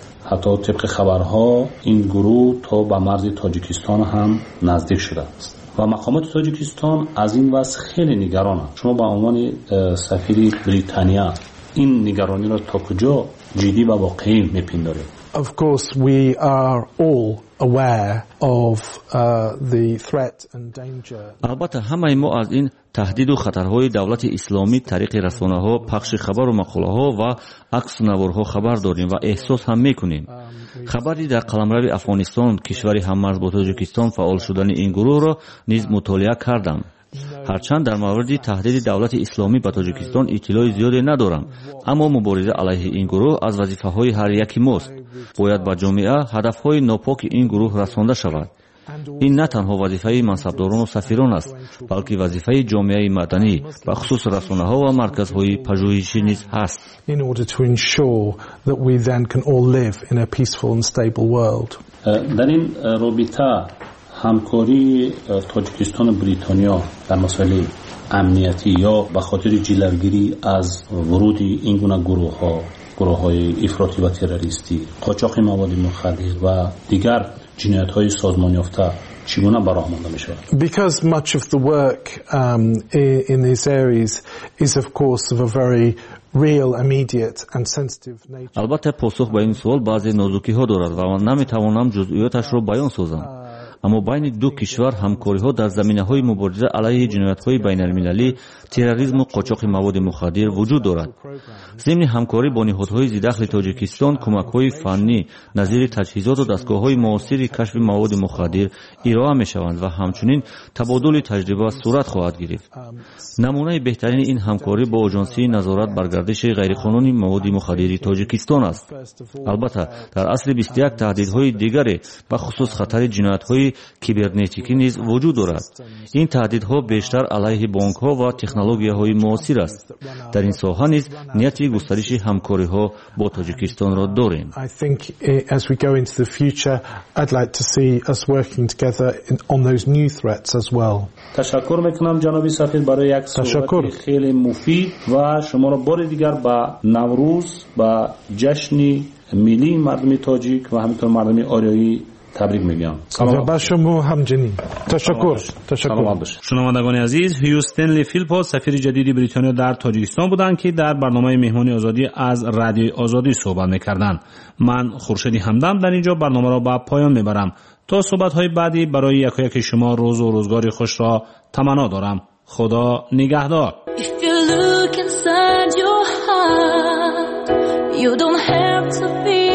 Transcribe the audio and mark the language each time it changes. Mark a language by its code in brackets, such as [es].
[fa] حتی طبق خبرها این گروه تا به مرز تاجیکستان هم نزدیک شده است و مقامات تاجیکستان از این وضع خیلی نگران هست. شما به عنوان سفیر بریتانیا این نگرانی را تا کجا جدی و واقعی می پندارید؟ [en] Of course we are all aware of the threat and danger. [fa] البته همه ما از این تهدید و خطرهای دولت اسلامی طریق رسانه ها، پخش خبر و مقاله ها و عکس نوارها خبر داریم و احساس هم میکنیم. خبری در قلمرو افغانستان، کشوری هممرز با تاجیکستان فعال شدن این گروه را نیز مطالعه کردم. هرچند در مورد تهدید دولت اسلامی به تاجیکستان اطلاع زیاده ندارم، اما مبارزه علیه این گروه از وظیفه های هر یکی ماست. باید به جامعه هدف های ناپاک این گروه رسانده شود. این نه تنها وظیفه منصبداران و سفیران است، بلکه وظیفه جامعه مدنی و خصوص رسانه ها و مرکز های پژوهشی نیز هست. [en] In order to ensure that we then can all live in a peaceful and stable world. [fa] در این رابطه همکاری تاجیکستان و بریتانیا در مسائل امنیتی یا به خاطر جلوگیری از ورود این گونه گروه ها، گروه های افراطی و تروریستی، قاچاق مواد مخدر و دیگر جنایت های سازمان یافته چگونه به راه مانده می شود؟ [en] Because much of the work in these areas is of course of a very real immediate and sensitive nature. [fa] البته پاسخ به این سوال بعضی نازکی ها دارد و من نمی توانم جزئیاتش را بیان سازم، اما بین دو کشور همکاری ها در زمینه های مبارزه علیه جنایت های بین المللی، تروریسم و قاچاق مواد مخدر وجود دارد. ضمن همکاری با نهادهای ذی‌دخل تاجیکستان، کمک های فنی نظیر تجهیزات و دستگاه های معاصر کشف مواد مخدر ارائه می شوند و همچنین تبادل تجربه صورت خواهد گرفت. نمونه بهترین این همکاری با آژانس نظارت بر گردش غیرقانونی مواد مخدر تاجیکستان است. البته در اصل 21 تهدیدهای دیگری به خصوص خطر جنایت های کیبرنتیکی نیز وجود دارد. این تهدیدها بیشتر علیه بانک ها و تکنولوژی های معاصر است. در این ساحه نیز نیت گسترش همکاری ها با تاجیکستان را داریم. [en] I think as we go into the future I'd like to see us working together on those new threats as well. [fa] تشکر میکنم جناب سفیر برای یک صحبت خیلی مفید و شما را بار دیگر با نوروز، با جشن ملی مردم تاجیک و همینطور مردم آریایی تبریک میگم. سلام به شما همچنین. تشکر. شنوندگان عزیز، هیو استنلی فیلپو سفیر جدید بریتانیا در تاجیکستان بودند که در برنامه مهمانی آزادی از رادیو آزادی صحبت میکردند. من خورشید همدم در اینجا برنامه را به پایان میبرم. تا صحبت های بعدی برای یک و یک شما روز و روزگاری خوش را تمنا دارم. خدا نگهدار. [en] If you look inside your heart, you don't have to be